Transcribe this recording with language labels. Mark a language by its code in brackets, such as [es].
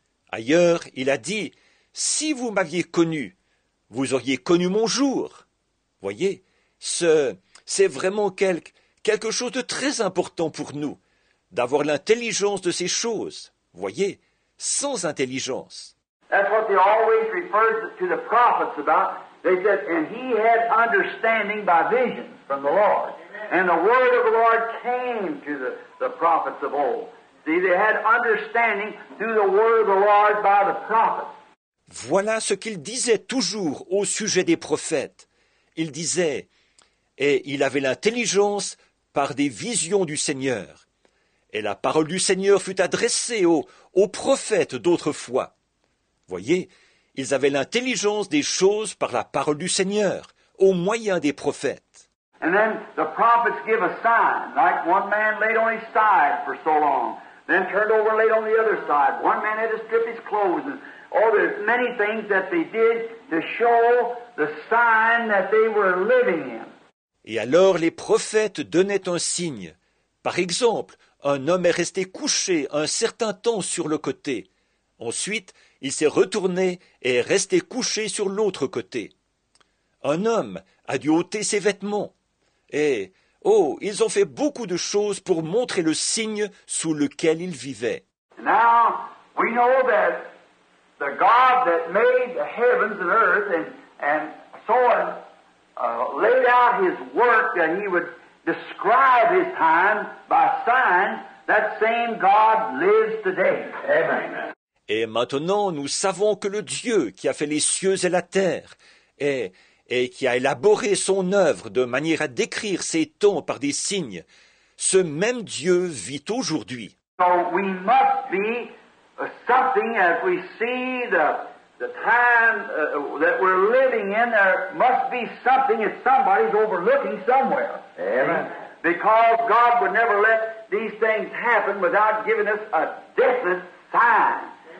[fr] Ailleurs, il a dit, « Si vous m'aviez connu, vous auriez connu mon jour. » Voyez, c'est vraiment quelque chose de très important pour nous, d'avoir l'intelligence de ces choses. Voyez, sans intelligence. [en] That's what they always referred to the prophets about. They said, and he had understanding by visions from the Lord. And the word of the Lord came to the prophets of old. See, they had understanding through the word of the Lord by the prophets. [fr] Voilà ce qu'il disait toujours au sujet des prophètes. Il disait, et il avait l'intelligence par des visions du Seigneur. Et la parole du Seigneur fut adressée aux prophètes d'autrefois. Voyez, ils avaient l'intelligence des choses par la parole du Seigneur, au moyen des prophètes. [en] And then the prophets give a sign, like one man laid on his side for so long, then turned over and laid on the other side. One man had to strip his clothes. And, oh, there's many things that they did to show the sign that they were living in. [fr] Et alors les prophètes donnaient un signe. Par exemple, un homme est resté couché un certain temps sur le côté. Ensuite, il s'est retourné et est resté couché sur l'autre côté. Un homme a dû ôter ses vêtements. Et, oh, ils ont fait beaucoup de choses pour montrer le signe sous lequel ils vivaient. [en] Now, we know that the God that made the heavens and earth and so on laid out his work that he would describe his time by signs, that same God lives today. Amen. [fr] Et maintenant, nous savons que le Dieu qui a fait les cieux et la terre et qui a élaboré son œuvre de manière à décrire ses temps par des signes, ce même Dieu vit aujourd'hui. [en] So we must be something as we see the time that we're living in, there must be something if somebody's overlooking somewhere. Amen. Because God would never let these things happen without giving us a definite sign.